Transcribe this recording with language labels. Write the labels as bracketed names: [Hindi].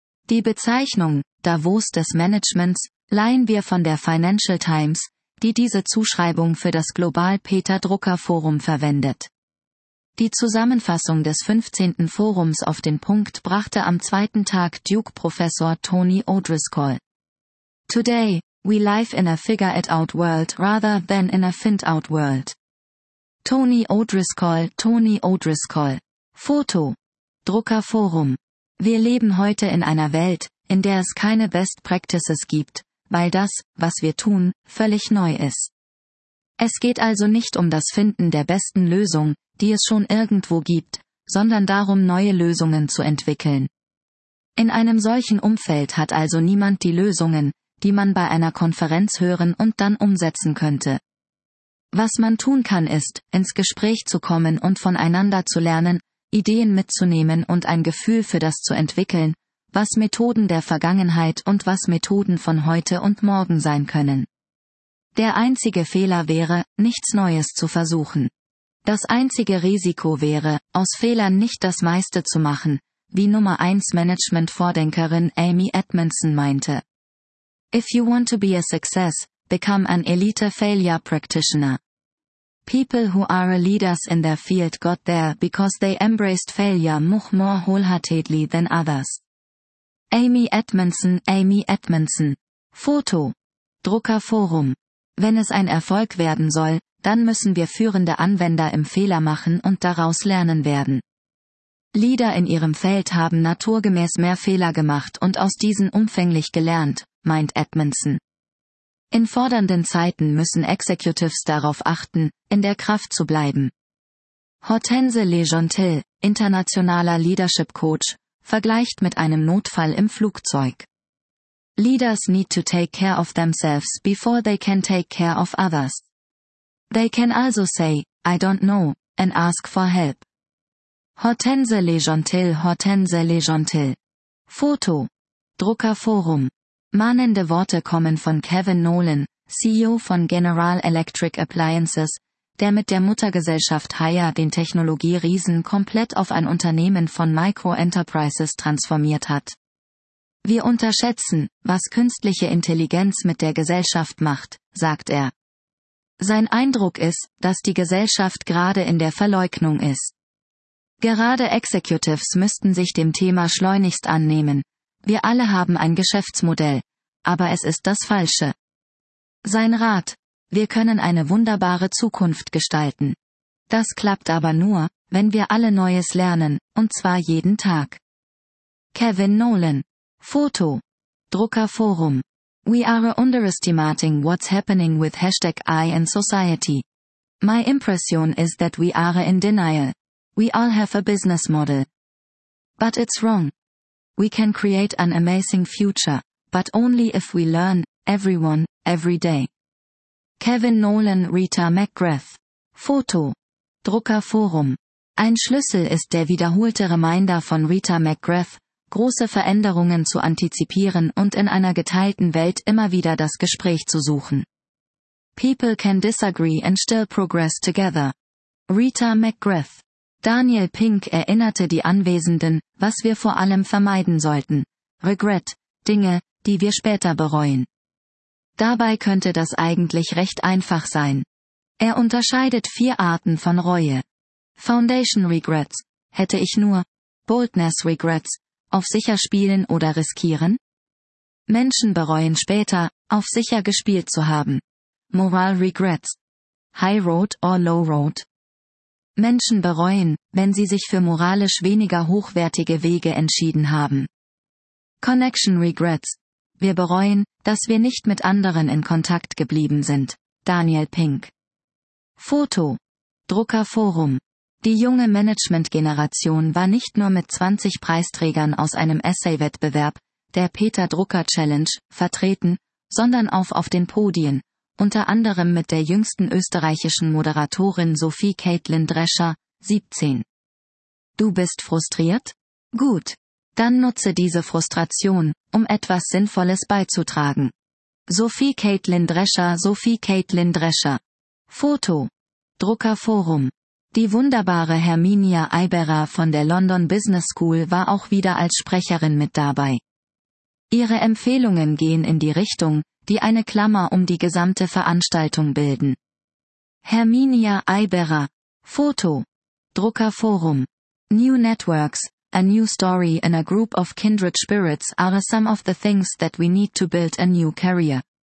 [German] Die Bezeichnung Davos des Managements leihen wir von der Financial Times, die diese Zuschreibung für das Global Peter Drucker Forum verwendet. Die Zusammenfassung des 15. Forums auf den Punkt brachte am zweiten Tag Duke-Professor Tony O'Driscoll. [English] Today, we live in a figure-it-out world rather than in a find-out world. [German] Tony O'Driscoll. Foto. Drucker Forum. Wir leben heute in einer Welt, in der es keine Best Practices gibt, weil das, was wir tun, völlig neu ist. Es geht also nicht um das Finden der besten Lösung, die es schon irgendwo gibt, sondern darum, neue Lösungen zu entwickeln. In einem solchen Umfeld hat also niemand die Lösungen, die man bei einer Konferenz hören und dann umsetzen könnte. Was man tun kann, ist, ins Gespräch zu kommen und voneinander zu lernen, Ideen mitzunehmen und ein Gefühl für das zu entwickeln, was Methoden der Vergangenheit und was Methoden von heute und morgen sein können. Der einzige Fehler wäre, nichts Neues zu versuchen. Das einzige Risiko wäre, aus Fehlern nicht das meiste zu machen, wie Nummer 1 Management-Vordenkerin Amy Edmondson meinte. [English] If you want to be a success, become an elite failure practitioner. People who are leaders in their field got there because they embraced failure much more wholeheartedly than others. [German] Amy Edmondson. Foto. Drucker Forum. Wenn es ein Erfolg werden soll, dann müssen wir führende Anwender im Fehler machen und daraus lernen werden. Leader in ihrem Feld haben naturgemäß mehr Fehler gemacht und aus diesen umfänglich gelernt, meint Edmondson. In fordernden Zeiten müssen Executives darauf achten, in der Kraft zu bleiben. Hortense Legentil, internationaler Leadership Coach, vergleicht mit einem Notfall im Flugzeug. [English] Leaders need to take care of themselves before they can take care of others. They can also say, I don't know, and ask for help. [German] Hortense Legentil. Foto. Drucker Forum. Mahnende Worte kommen von Kevin Nolan, CEO von General Electric Appliances, der mit der Muttergesellschaft Haier den Technologieriesen komplett auf ein Unternehmen von Micro-Enterprises transformiert hat. Wir unterschätzen, was künstliche Intelligenz mit der Gesellschaft macht, sagt er. Sein Eindruck ist, dass die Gesellschaft gerade in der Verleugnung ist. Gerade Executives müssten sich dem Thema schleunigst annehmen. Wir alle haben ein Geschäftsmodell, aber es ist das Falsche. Sein Rat: Wir können eine wunderbare Zukunft gestalten. Das klappt aber nur, wenn wir alle Neues lernen, und zwar jeden Tag. Kevin Nolan. Foto. Drucker Forum. [English] We are underestimating what's happening with hashtag I and society. My impression is that we are in denial. We all have a business model. But it's wrong. We can create an amazing future, but only if we learn, everyone, every day. [German] Kevin Nolan, Rita McGrath. Foto. Drucker Forum. Ein Schlüssel ist der wiederholte Reminder von Rita McGrath, große Veränderungen zu antizipieren und in einer geteilten Welt immer wieder das Gespräch zu suchen. [English] People can disagree and still progress together. [German] Rita McGrath. Daniel Pink erinnerte die Anwesenden, was wir vor allem vermeiden sollten. Regret, Dinge, die wir später bereuen. Dabei könnte das eigentlich recht einfach sein. Er unterscheidet vier Arten von Reue. Foundation Regrets, hätte ich nur. Boldness Regrets, auf sicher spielen oder riskieren. Menschen bereuen später, auf sicher gespielt zu haben. [English] Moral Regrets, High Road or Low Road. [German] Menschen bereuen, wenn sie sich für moralisch weniger hochwertige Wege entschieden haben. Connection Regrets. Wir bereuen, dass wir nicht mit anderen in Kontakt geblieben sind. Daniel Pink. Foto. Drucker Forum. Die junge Management-Generation war nicht nur mit 20 Preisträgern aus einem Essay-Wettbewerb, der Peter Drucker Challenge, vertreten, sondern auf den Podien, unter anderem mit der jüngsten österreichischen Moderatorin Sophie Caitlin Drescher, 17. Du bist frustriert? Gut. Dann nutze diese Frustration, um etwas Sinnvolles beizutragen. Sophie Caitlin Drescher, Sophie Caitlin Drescher. Foto. Druckerforum. Die wunderbare Herminia Eiberer von der London Business School war auch wieder als Sprecherin mit dabei. Ihre Empfehlungen gehen in die Richtung, die eine Klammer um die gesamte Veranstaltung bilden. Herminia Eiberer. Foto. Druckerforum. [English] New networks, a new story in a group of kindred spirits are some of the things that we need to build a new career.